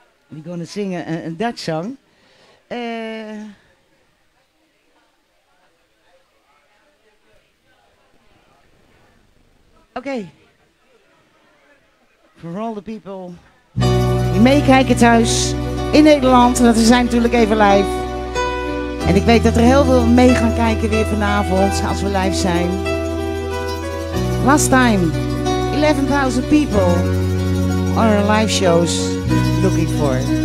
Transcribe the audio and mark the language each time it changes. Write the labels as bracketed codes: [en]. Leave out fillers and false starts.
[en] we're gonna sing a Dutch song, okay, for all the people, you may [nl] kijken thuis, in Nederland, want we zijn natuurlijk even live. En ik weet dat er heel veel mee gaan kijken weer vanavond, als we live zijn. [en] Last time, 11,000 people on our live shows looking for.